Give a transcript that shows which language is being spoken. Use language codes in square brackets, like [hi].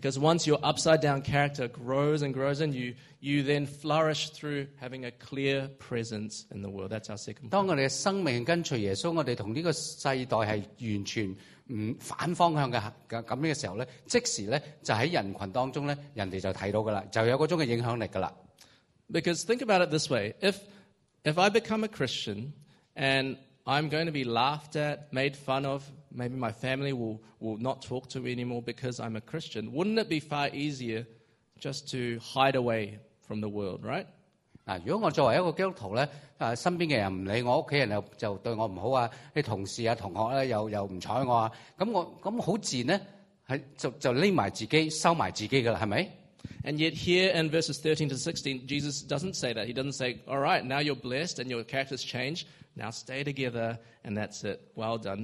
[en] Because once your upside down character grows and grows in you, you then flourish through having a clear presence in the world. That's our second point. [zh] 当我们的生命跟随耶稣，我们跟这个世代是完全 反方向的时候，即时在人群当中，人家就看到了，就有那种影响力了。 [en] Because think about it this way, if if I become a Christian and I'm going to be laughed at, made fun of, maybe my family will not talk to me anymore because I'm a Christian, wouldn't it be far easier just to hide away from the world, right? [zh] 如果我作為一個基督徒,身邊的人不理我,家人就對我不好,同事、同學又不理我,很自然,就匿埋自己,收埋自己的,是不是? [en] And yet here in verses 13 to 16, Jesus doesn't say that. He doesn't say, all right, now you're blessed and your character's changed, now stay together and that's it, well done.